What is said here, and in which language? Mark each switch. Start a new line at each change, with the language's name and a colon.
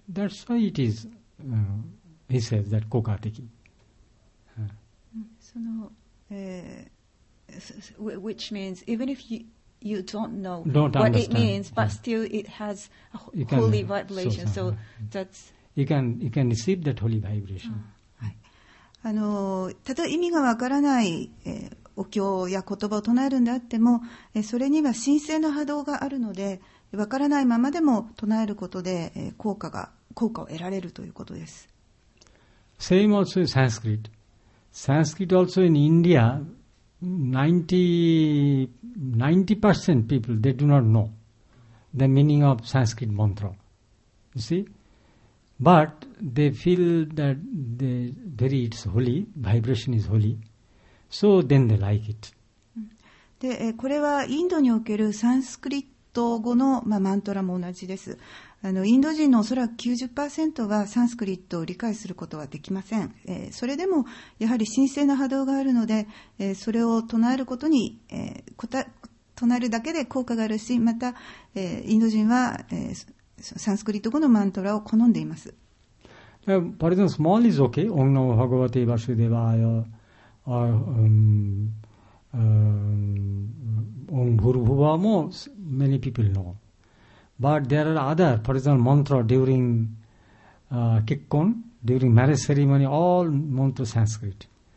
English: That's why it is, he says that
Japanese: 効果的。その、
English: which means even if you don't know don't what、 understand. it means, but、still it has a holy vibration. So that's you can receive that holy vibration.、
Japanese: 例えば意味がわからない、お経や言葉を唱えるんであっても、それには神聖の波動があるので、わからないままでも唱えることで、効果を得られるということです。
English: Same also in Sanskrit. Sanskrit also in India, 90% people, they do not know the meaning of Sanskrit mantra. You see? But they feel that it's holy, vibration is holy. So then they like it.
Japanese: で、これはインドにおけるサンスクリット語の、マントラも同じです。インド人のおそらく 90% はサンスクリットを理解することはできません。それでもやはり神聖な波動があるので、それを唱えることに、唱えるだけで効果があるし、また、インド人は、サンスクリット語のマントラを好んでいます。
English: For example, small is okay. Om Namo Bhagavate Vasudevaya or Om Bhurbhuva も many people know. But there are other, for example, mantra during Kikkon, during marriage ceremony, all mantra Sanskrit.